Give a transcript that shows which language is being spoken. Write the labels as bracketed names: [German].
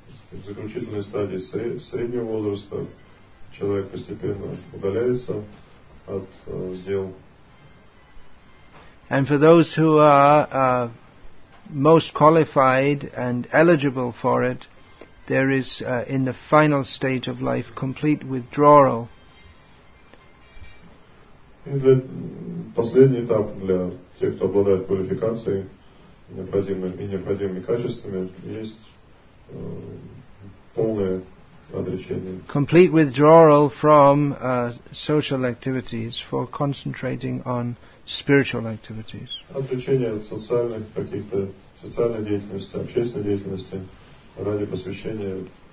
[Russian] В заключительной стадии среднего возраста человек постепенно удаляется от дел. [English] And for those who are most qualified and eligible for it, there is in the final stage of life complete withdrawal. [Russian] Последний этап для тех, кто обладает квалификацией, необходимыми и необходимыми качествами, есть полное отречение. [English] Complete withdrawal from social activities for concentrating on spiritual activities. [Russian] Отречение от социальных каких-то социальной деятельности, общественной деятельности ради посвящения.